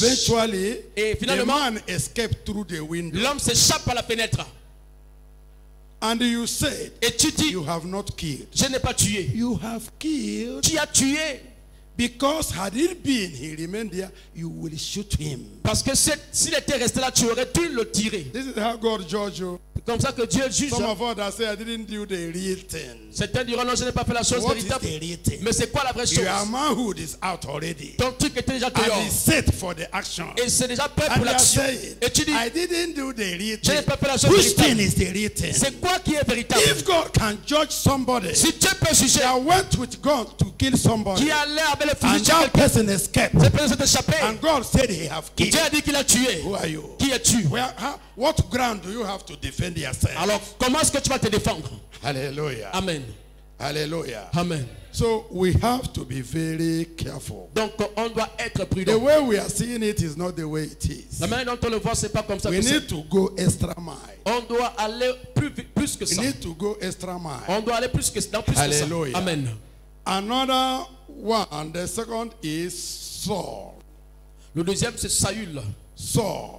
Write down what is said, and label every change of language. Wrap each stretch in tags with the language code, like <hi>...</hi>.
<en>Eventually,</en> <fr>et finalement,</fr> <en>the man escaped through the window.</en> <fr>L'homme s'échappe par la fenêtre.</fr> <en>And you said,</en> <fr>et tu dis,</fr> <en>you have not killed.</en> <fr>Je n'ai pas tué.</fr> <en>You have killed.</en> <fr>Tu as tué.</fr> <en>Because had it been, he remained there, you would shoot him.</en> <fr>Parce que s'il était resté là, tu aurais dû le tirer.</fr> <en>This is how God judges you.</en> <fr>Comme ça que Dieu juge.</fr> <en>Some of others say, I didn't do the real thing.</en> <fr>Certains diront, non, je n'ai pas fait la chose</fr> <en>what</en> <fr>véritable.</fr> <en>Is the real thing?</en> <fr>Mais c'est quoi la vraie chose?</fr> <en>Your manhood is out already.</en> <fr>Ton truc était déjà</fr> <en>dehors. And is set for the action.</en> <fr>Et c'est déjà prêt</fr> <en>and</en> <fr>pour l'action.</fr> <en>Saying,</en> <fr>et tu dis,</fr> <en>I didn't do the real thing.</en> <fr>Je n'ai pas fait la chose</fr> <en>which</en> <fr>véritable.</fr> <en>Thing is the real thing?</en> <fr>C'est quoi qui est véritable?</fr> <en>If God can judge somebody,</en> <fr>si Dieu peut juger,</fr> <en>I went with God to kill somebody,</en> <fr>qui allait avec le fusil</fr> <en>and that person escaped,</en> <fr>cette personne s'est échappée,</fr> <en>and God said he have killed.</en> <fr>Dieu a dit qu'il a tué.</fr> <en>Who are you?</en> <fr>Qui es-tu?</fr> <en>Where, what ground do you have to defend yourself?</en> <fr>Alors, comment est-ce que tu vas te défendre?</fr> <en>Hallelujah.</en> <fr>Amen.</fr> <en>Hallelujah.</en> <fr>Amen.</fr> <en>So we have to be very careful.</en> <fr>Donc, on doit être prudent.</fr> <en>The way we are seeing it is not the way it is.</en> <fr>La manière dont on le voit, c'est pas comme ça.</fr> <en>We need to go extra mile.</en> <fr>On doit aller plus que ça.</fr> <en>We need to go extra mile.</en> <fr>On doit aller plus que ça.</fr> <en>Hallelujah.</en> <fr>Amen.</fr> <en>Another one, the second is Saul.</en> <fr>Le deuxième c'est Saül.</fr> <en>Saul.</en>